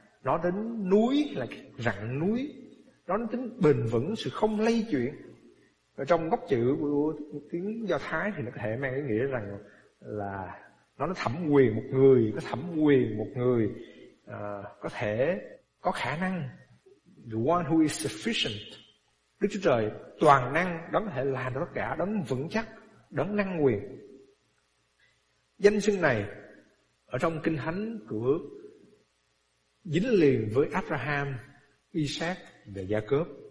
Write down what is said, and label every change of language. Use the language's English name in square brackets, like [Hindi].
[Vietnamese] Nó đến núi là rặng núi, nó đến tính bền vững, sự không lay chuyển. Ở trong gốc chữ của tiếng Do Thái thì nó có thể mang ý nghĩa rằng là nó thẩm quyền một người, có thẩm quyền một người, có thể có khả năng. [English] The one who is sufficient. [Vietnamese] Đức Chúa Trời toàn năng, đấng có thể làm tất cả, đấng vững chắc, đấng năng quyền. Danh xưng này ở trong Kinh Thánh của dính liền với Abraham, Isaac và Gia-cốp.